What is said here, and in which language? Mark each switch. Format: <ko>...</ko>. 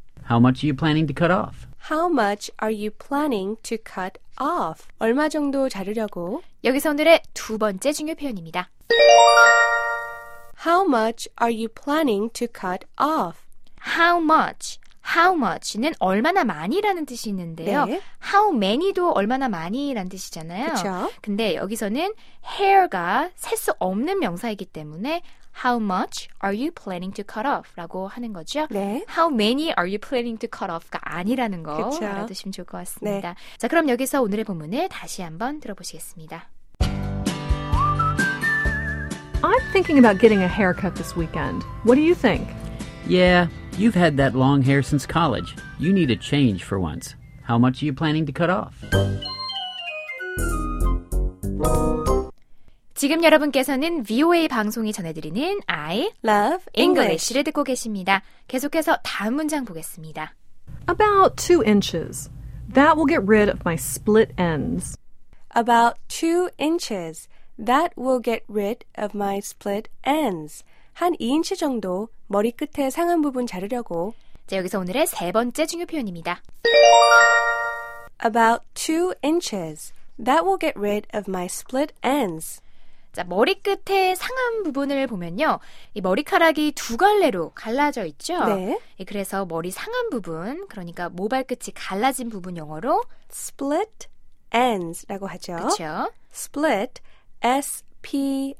<en>How much are you planning to cut off? How much are you planning to cut off?</en> <ko>얼마 정도 자르려고? 여기서 오늘의 두 번째 중요 표현입니다.</ko> <en>How much are you planning to cut off? How much?</en> <ko>How much는 얼마나 많이라는 뜻이 있는데요. 네. How many도 얼마나 많이라는 뜻이잖아요. 그렇죠. 근데 여기서는 hair가 셀 수 없는 명사이기 때문에</ko> <en>How much are you planning to cut off?</en> <ko>라고 하는 거죠. 네.</ko> <en>How many are you planning to cut off?</en> <ko>가 아니라는 거 그쵸. 알아두시면 좋을 것 같습니다. 네. 자, 그럼 여기서 오늘의 본문을 다시 한번 들어보시겠습니다.</ko> <en>I'm thinking about getting a haircut this weekend. What do you think? Yeah, you've had that long hair since college. You need a change for once. How much are you planning to cut off?</en> <ko>지금 여러분께서는 VOA 방송이 전해드리는 I</ko> <en>Love</en> <ko>English를 듣고 계십니다. 계속해서 다음 문장 보겠습니다.</ko> <en>About 2 inches. That will get rid of my split ends. About 2 inches. That will get rid of my split ends.</en> <ko>한 2인치 정도 머리 끝에 상한 부분 자르려고. 자, 여기서 오늘의 세 번째 중요 표현입니다.</ko> <en>About 2 inches. That will get rid of my split ends.</en> <ko>자, 머리 끝에 상한 부분을 보면요. 이 머리카락이 두 갈래로 갈라져 있죠? 네. 예, 그래서 머리 상한 부분, 그러니까 모발끝이 갈라진 부분 영어로 split ends라고 하죠. 그렇죠.</ko> <en>split split.</en>